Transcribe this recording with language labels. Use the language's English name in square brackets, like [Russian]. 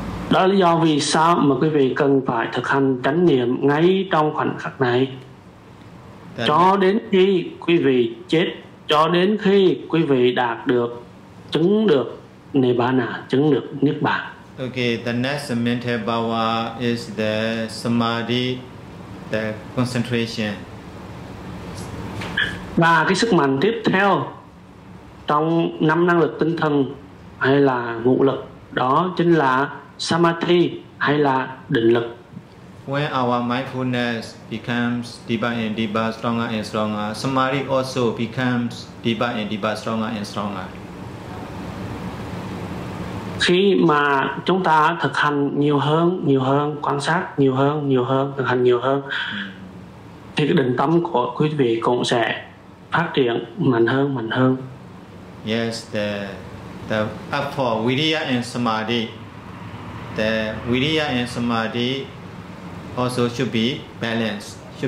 [Vietnamese] Đó là lý do vì sao mà quý vị cần phải thực hành chánh niệm ngay trong khoảnh khắc này. Cho đến khi quý vị chết, cho đến khi quý vị đạt được, chứng được Nibbana, chứng được Niết Bàn. [English] Okay, the next mental power is the Samadhi, the concentration. [Vietnamese] Và cái sức mạnh tiếp theo trong năm năng lực tinh thần hay là ngũ lực, đó chính là Samadhi hay là định lực. [English] When our mindfulness becomes deeper and deeper, stronger and stronger, Samadhi also becomes deeper and deeper, stronger and stronger. [Vietnamese] Khi mà chúng ta thực hành nhiều hơn, quan sát nhiều hơn, thực hành nhiều hơn, thì cái định tâm của quý vị cũng sẽ phát triển mạnh hơn. [English] Yes, the effort, Viriya and Samadhi. The Viriya and Samadhi also should be balanced.